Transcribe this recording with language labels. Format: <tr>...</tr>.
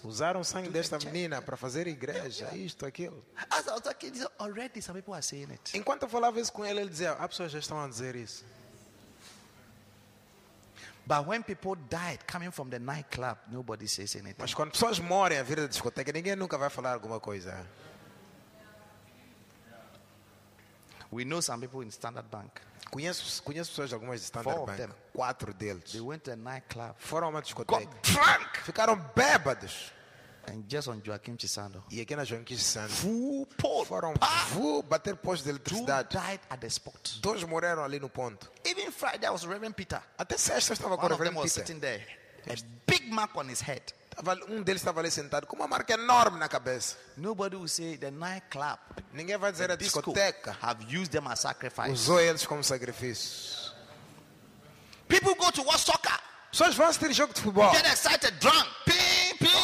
<pt>Usaram sangue desta menina para fazer igreja, isto, aquilo.</pt> <en>As I was talking, already some people are saying it.</en> <pt>Enquanto eu falava isso com ele, ele dizia: as pessoas já estão a dizer isso.</pt> <en>But when people died coming from the nightclub, nobody says anything.</en> <pt>Mas quando pessoas morrem a vir da discoteca, ninguém nunca vai falar alguma coisa.</pt> <en>We know some people in Standard Bank.</en> <pt>Conheço pessoas de algumas de Standard</pt> <en>Four Bank. Of them.</en> <pt>4 deles.</pt> <en>They went to a nightclub.</en> <pt>Foram a uma discoteca.</pt> <en>Got drunk.</en> <pt>Ficaram bêbados.</pt> <en>And just on Joaquim Chissano.</en> <pt>E aqui na Joaquim Chissano. Foram bater postos de eletricidade.</pt> <en>Two died at the spot.</en> <pt>2 morreram ali no ponto.</pt> <en>Even Friday was Reverend Peter.</en> <pt>Até sexta estava com o Reverend Peter.</pt> <en>One of them was sitting there. A big mark on his head.</en> <pt>Um deles estava ali sentado com uma marca enorme na cabeça.</pt> <en>Nobody will say the nightclub.</en> <pt>Ninguém vai dizer a discoteca.</pt> <en>Have used them as sacrifice.</en> <pt>Usou eles como sacrifício.</pt> <en>People go to watch soccer.</en> <pt>Pessoas vão assistir jogo de futebol.</pt> <en>Get excited, drunk, ping, ping.</en>